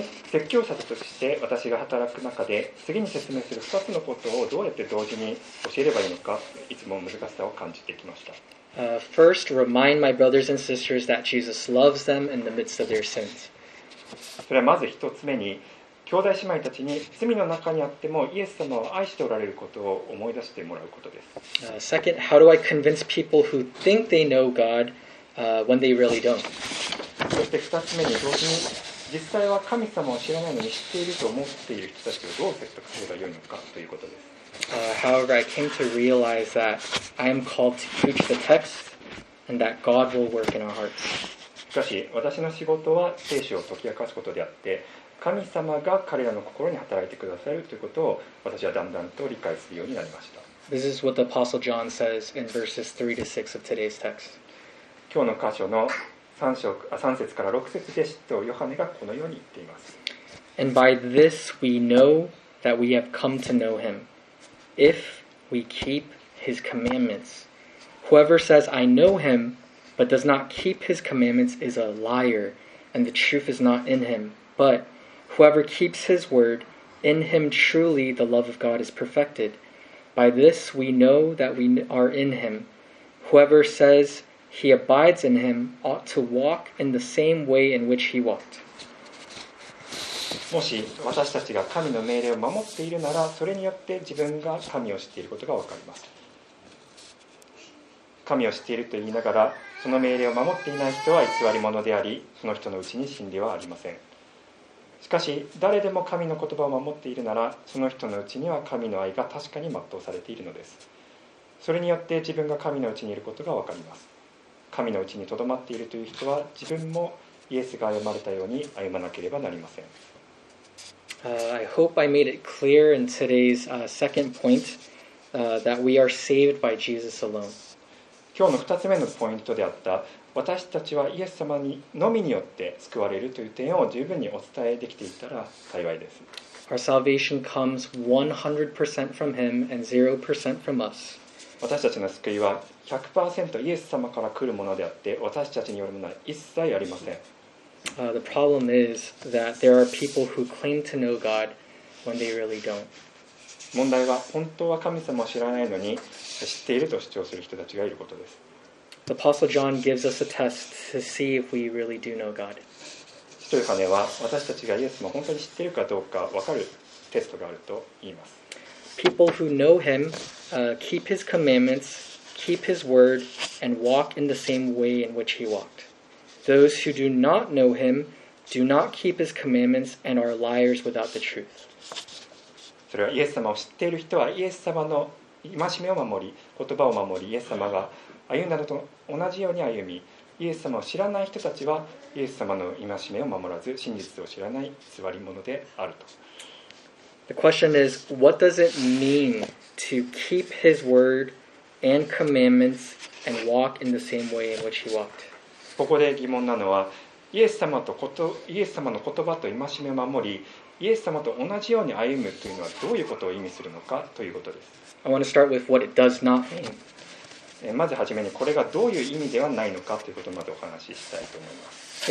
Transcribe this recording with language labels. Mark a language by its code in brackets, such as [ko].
[ja] 説教者として私が働く中で、次に説明する2つのことをどうやって同時に教えればいいのか、いつも難しさを感じてきました。 [en] First, remind my brothers and sisters that Jesus loves them in the midst of their sins. [ja] それはまず1つ目に、兄弟姉妹たちに罪の中にあってもイエス様を愛しておられることを思い出してもらうことです。 [en] Second, how do I convince people who think they know God, when they really don't? [ja] そして2つ目に同時に、実際は神様を知らないのに知っていると思っている人たちをどう説得すればよいのかということです。 [en] However, I came to realize that I am called to preach the text and that God will work in our hearts. [ja] しかし、私の仕事は聖書を解き明かすことであって、神様が彼らの心に働いてくださるということを私はだんだんと理解するようになりました。 [en] This is what the Apostle John says in verses 3 to 6 of today's text. [ja] 今日の箇所の3節から6節で使徒ヨハネがこのように言っています。 [en] And by this we know that we have come to know him, if we keep his commandments. Whoever says, I know him, but does not keep his commandments is a liar, and the truth is not in him. But whoever keeps his word, in him truly the love of God is perfected. By this we know that we are in him. Whoever says, He abides in him, ought to walk in the same way in which he walked. [ja] もし私たちが神の命令を守っているなら、それによって自分が神を知っていることがわかります。神を知っていると言いながら、その命令を守っていない人は偽り者であり、その人のうちに真理はありません。しかし、誰でも神の言葉を守っているなら、その人のうちには神の愛が確かに全うされているのです。それによって自分が神のうちにいることがわかります。神のうちにとどまっているという人は自分もイエスが歩まれたように歩まなければなりません。 [en] I hope I made it clear in today's second point, that we are saved by Jesus alone. [ja] 今日の二つ目のポイントであった私たちはイエス様にのみによって救われるという点を十分にお伝えできていたら幸いです。 [en] Our salvation comes 100% from him and 0% from us. [ja] 私たちの救いは100% イエス様から来るものであって、私たちによるものは一切ありません。 [en] The problem is that there are people who claim to know God when they really don't. [ja] 問題は本当は神様を知らないのに知っていると主張する人たちがいることです。 [en] The Apostle John gives us a test to see if we really do know God. [ja] というかね、私たちがイエスも本当に知っているかどうか分かるテストがあると言います。 [en] People who know him, keep his commandments, keep his word, and walk in the same way in which he walked. Those who do not know him, do not keep his commandments and are liars without the truth. [ja] それはイエス様を知っている人はイエス様の戒めを守り、言葉を守り、イエス様が歩んだのと同じように歩み、イエス様を知らない人たちはイエス様の戒めを守らず真実を知らない偽り者であると。 [en] The question is, what does it mean to keep his word and commandments and walk in the same way in which he walked? [ja] ここで疑問なのは、イエス様の言葉と戒めを守り、イエス様と同じように歩むというのはどういうことを意味するのかということです。 [en] I want to start with what it does not mean. [ja] まずはじめにこれがどういう意味ではないのかということまでお話ししたいと思います。